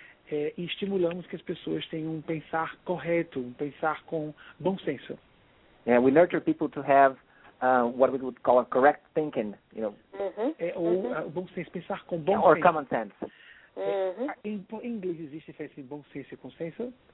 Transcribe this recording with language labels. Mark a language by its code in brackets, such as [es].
[pt] E estimulamos que as pessoas tenham um pensar correto, um pensar com bom senso. [en] Yeah, we nurture people to have what we would call a correct thinking, you know. Uh-huh. [pt] Ou bom senso, pensar com bom [en] or Or common sense. Uh-huh. [pt] Em inglês existe a diferença entre bom senso e consenso?